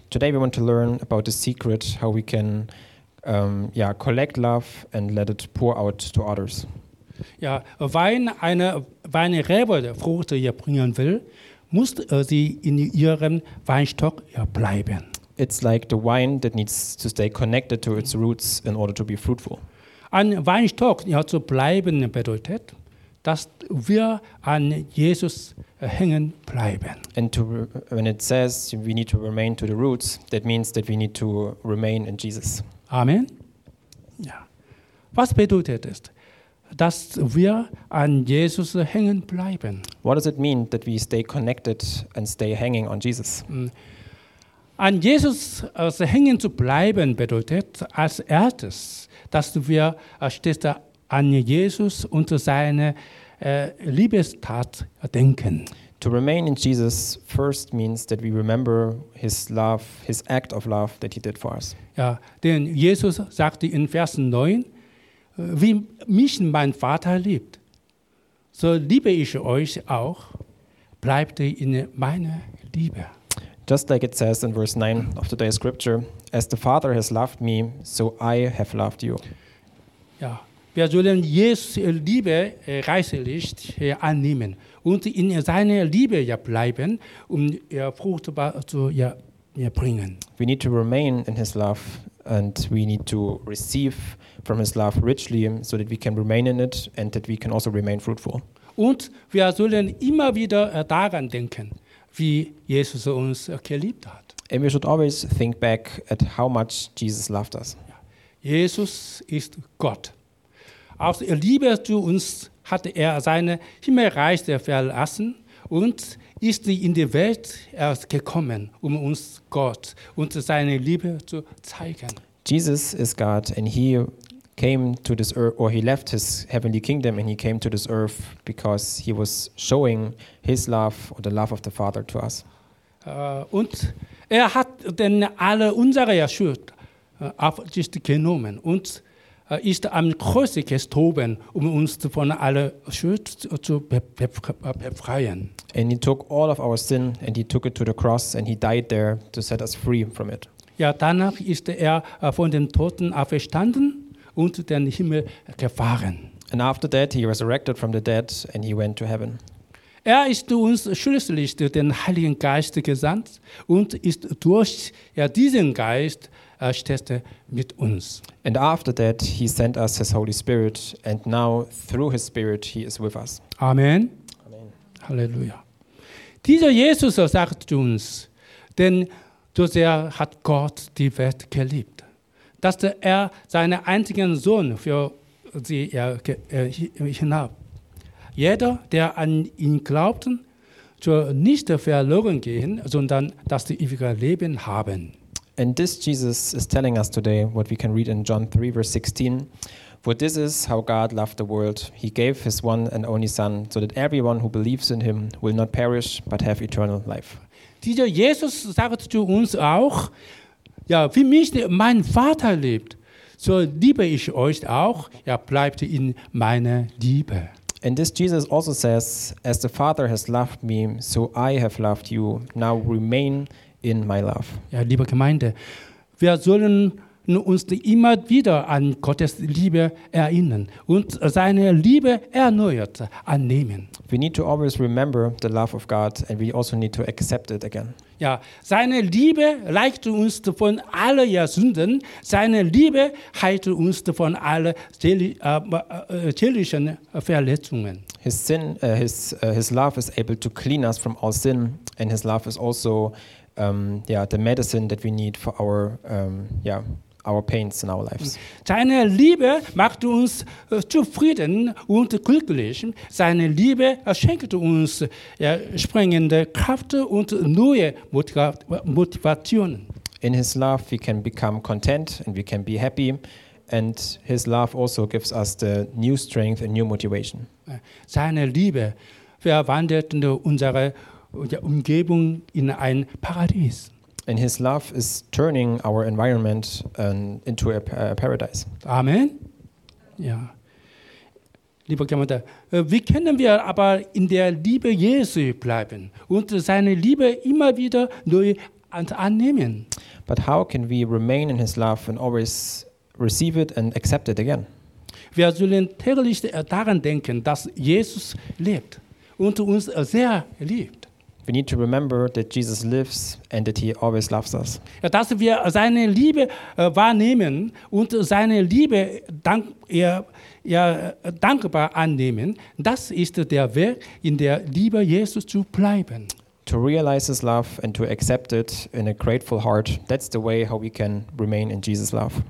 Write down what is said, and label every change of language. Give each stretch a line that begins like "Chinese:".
English: Today we want to learn about the secret, how we can collect love and let it pour out to others.
German: Ja, wenn eine Rebe Frucht hier bringen will, muss sie in ihrem Weinstock bleiben.
English: It's like the wine that needs to stay connected to its roots in order to be fruitful.
German: An Weinstock zu bleiben bedeutet, dass wir an Jesus hängen bleiben.
English: And when it says we need to remain to the roots, that means that we need to remain in Jesus.
German: Amen. Ja. Was bedeutet es, dass wir an Jesus hängen bleiben?
English: What does it mean that we stay connected and stay hanging on Jesus?
German: An Jesus hängen zu bleiben bedeutet als erstes, dass wir stets an Jesus und seine Liebestat denken.
English: To remain in Jesus first means that we remember his love, his act of love that he did for us.
German: Ja, denn Jesus sagte in Vers 9, wie mich mein Vater liebt, so liebe ich euch auch, bleibt in meiner Liebe.
English: Just like it says in verse 9 of today's scripture, as the Father has loved me, so I have loved you.
German: Ja, wir sollen Jesu Liebe reichlich annehmen und in seiner Liebe bleiben, um fruchtbar zu bringen.
English: We need to remain in his love and we need to receive from his love richly so that we can remain in it and that we can also remain fruitful.
German: Und wir sollen immer wieder daran denken, wie Jesus uns geliebt hat.
English: And we should always think back at how much Jesus loved us.
German: Jesus ist Gott. Aus Liebe zu uns hat sein Himmelreich verlassen und ist in die Welt gekommen, um uns Gott und seine Liebe zu zeigen.
English: Jesus is God and he came to this earth, or he left his heavenly kingdom and he came to this earth because he was showing his love or the love of the Father to us.
German: Und er hat denn alle unsere Schuld auf sich genommen und ist am Kreuz gestorben, um uns von aller Schuld zu befreien.
English: And he took all of our sin and he took it to the cross and he died there to set us free from it.
German: Ja, danach ist er von den Toten auferstanden und den Himmel gefahren.
English: And after that he resurrected from the dead and he went to heaven.
German: Er ist uns schließlich durch den Heiligen Geist gesandt und ist durch diesen Geist mit uns.
English: And after that he sent us his Holy Spirit and now through his Spirit he is with us.
German: Amen. Amen. Halleluja. Dieser Jesus sagt zu uns, denn so sehr hat Gott die Welt geliebt, dass er seinen einzigen Sohn für sie hinab. Jeder, der an ihn glaubt, soll nicht verloren gehen, sondern das ewige Leben haben.
English: And this Jesus is telling us today what we can read in John 3, verse 16. For this is how God loved the world. He gave his one and only Son, so that everyone who believes in him will not perish, but have eternal life.
German: Dieser Jesus sagt zu uns auch, ja, wie mich mein Vater liebt, so liebe ich euch auch, bleibt in meiner Liebe.
English: And this Jesus also says, as the Father has loved me, so I have loved you. Now remain in my love.
German: Ja, liebe Gemeinde, wir sollen uns immer wieder an Gottes Liebe erinnern und seine Liebe erneuert annehmen.
English: We need to always remember the love of God and we also need to accept it again.
German: Ja, seine Liebe reicht uns von aller Sünden, seine Liebe heilt uns von aller seelischen Verletzungen.
English: His love is able to clean us from all sin and his love is also the medicine that we need for our pains in our lives.
German: Seine Liebe macht uns zufrieden und glücklich. Seine Liebe schenkt uns springende Kraft und neue Motivation.
English: In his love we can become content and we can be happy and his love also gives us the new strength and new motivation.
German: Seine Liebe verwandelt unsere Umgebung in ein Paradies.
English: And his love is turning our environment into a paradise.
German: Amen. Ja. Liebe Gemeinde, wie können wir aber in der Liebe Jesu bleiben und seine Liebe immer wieder neu annehmen?
English: But how can we remain in his love and always receive it and accept it again?
German: Wir sollen täglich daran denken, dass Jesus lebt und uns sehr liebt.
English: We need to remember that Jesus lives and that he always loves us.
German: Ja, dass wir seine Liebe wahrnehmen und seine Liebe dankbar annehmen, das ist der Weg, in der Liebe Jesus zu bleiben.
English: To realize his love and to accept it in a grateful heart, that's the way how we can remain in Jesus' love.